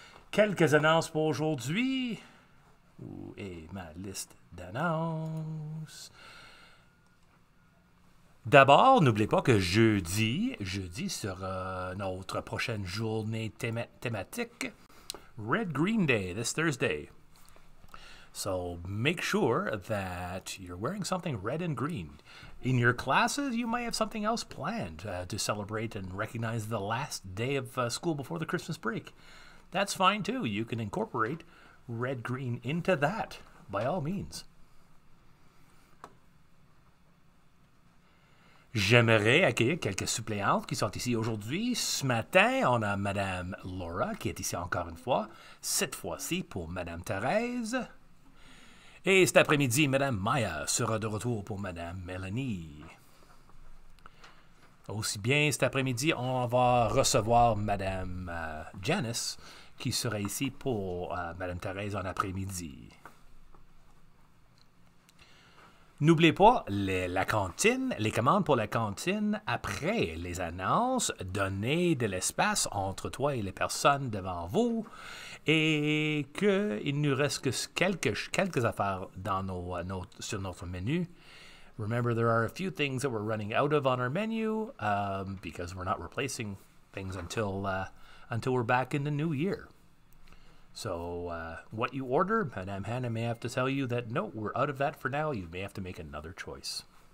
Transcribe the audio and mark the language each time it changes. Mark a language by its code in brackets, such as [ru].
[fr] Quelques annonces pour aujourd'hui. Où est ma liste d'annonces? D'abord, n'oubliez pas que jeudi sera notre prochaine journée thématique. [en] Red Green Day, this Thursday. So, make sure that you're wearing something red and green. In your classes, you might have something else planned to celebrate and recognize the last day of school before the Christmas break. That's fine, too. You can incorporate red-green into that, by all means. [fr] J'aimerais accueillir quelques suppléantes qui sont ici aujourd'hui. Ce matin, on a Madame Laura, qui est ici encore une fois, cette fois-ci pour Madame Thérèse. Et cet après-midi, Madame Maya sera de retour pour Madame Mélanie. Aussi bien, cet après-midi, on va recevoir Madame Janice, qui sera ici pour Madame Thérèse en après-midi. N'oubliez pas la cantine, les commandes pour la cantine après les annonces. Donnez de l'espace entre toi et les personnes devant vous. Et qu'il nous reste que quelques affaires dans sur notre menu. [en] Remember, there are a few things that we're running out of on our menu because we're not replacing things until we're back in the new year. So, what you order, Madame Hannah may have to tell you that, no, we're out of that for now. You may have to make another choice.